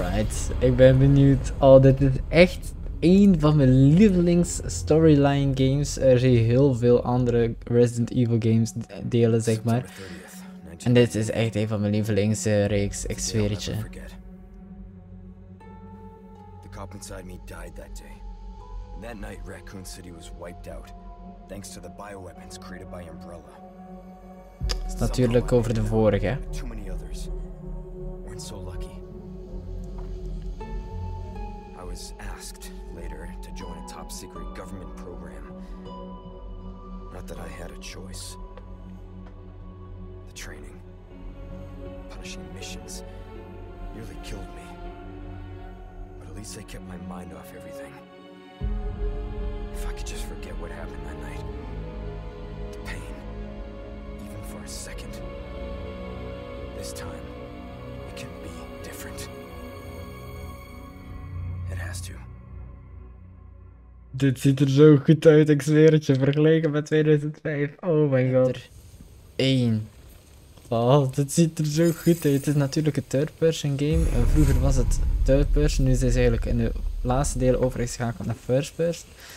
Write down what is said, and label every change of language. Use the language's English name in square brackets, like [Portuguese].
[Dutch] Alright, ik ben benieuwd. Oh, dit is echt één van mijn lievelings storyline games. Er zijn heel veel andere Resident Evil games delen, zeg maar. En dit is echt een van mijn lievelingsreeks, ik zweer het je. [English] The cop inside me died that day. And that night, Raccoon City was wiped out, thanks to the bioweapons created by Umbrella. [Dutch] Het is natuurlijk over de vorige. [English] Too many others weren't so lucky. I was asked later to join a top secret government program. Not that I had a choice. The training. Punishing missions nearly killed me, but at least I kept my mind off everything. If I could just forget what happened that night, the pain, even for a second, this time it can be different. It has to. [Dutch] Dit ziet er zo goed uit, ik zweer het je, vergeleken met 2005. [English] Oh my god. [Dutch] Eén. Wow, dit ziet er zo goed uit. Het is natuurlijk een third-person game. En vroeger was het third-person, nu is het eigenlijk in de laatste deel overgeschakeld naar first-person.